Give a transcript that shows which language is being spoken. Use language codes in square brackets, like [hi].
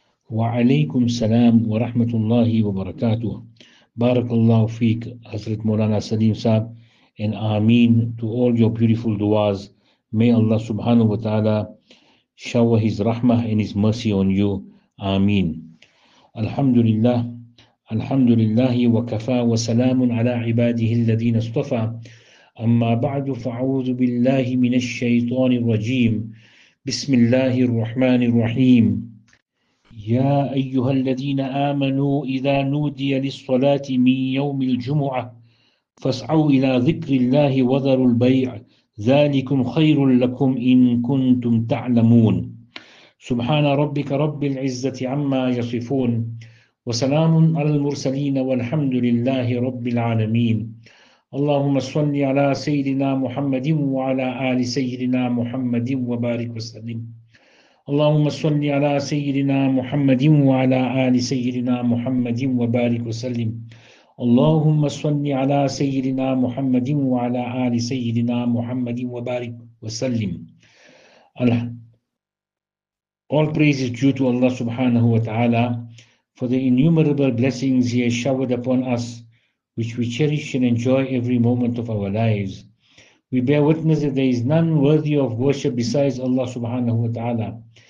[ar] وعليكم السلام ورحمة الله وبركاته. بارك الله فيك حضرت مولانا سليم صاحب. [en] And آمين to all your beautiful duas. May Allah subhanahu wa ta'ala shower his rahmah and his mercy on you. [ar] آمين. الحمد لله الحمد لله وكفى وسلام على عباده الذين اصطفى. أما بعد فأعوذ بالله من الشيطان الرجيم. بسم الله الرحمن الرحيم. يا أيها الذين آمنوا إذا نودي للصلاة من يوم الجمعة فاسعوا إلى ذكر الله وذروا البيع ذلكم خير لكم إن كنتم تعلمون. سبحان ربك رب العزة عما يصفون وسلام على المرسلين والحمد لله رب العالمين. اللهم صل على سيدنا محمد وعلى آل سيدنا محمد وبارك وسلم. اللهم صل على سيدنا محمد وعلى آل سيدنا محمد وبارك وسلم. اللهم صل على سيدنا محمد وعلى آل سيدنا محمد وبارك وسلم. [en] All praise is due to Allah subhanahu wa ta'ala for the innumerable blessings He has showered upon us, which we cherish and enjoy every moment of our lives. We bear witness that there is none worthy of worship besides Allah subhanahu wa ta'ala.